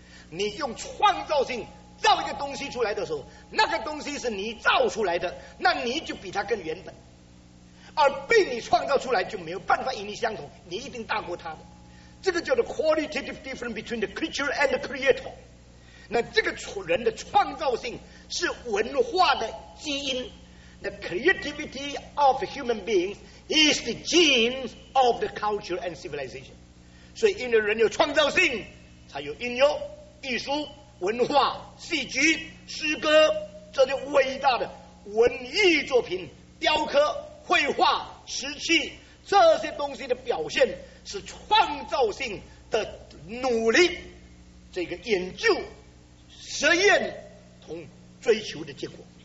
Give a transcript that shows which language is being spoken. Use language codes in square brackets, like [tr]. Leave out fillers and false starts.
[zh] 你用创造性造一个东西出来的时候，那个东西是你造出来的，那你就比它更原本。而被你创造出来就没有办法与你相同，你一定大过他的。这个叫做 [en] qualitative difference between the creature and the creator。 [zh] 那这个人的创造性是文化的基因。 [en] The creativity of human beings is the genes of the culture and civilization。 [zh] 所以因为人有创造性才有音乐、艺术、文化、戏剧、诗歌，这些伟大的文艺作品、雕刻、绘画、石器，这些东西的表现是创造性的努力，这个研究、实验同追求的结果。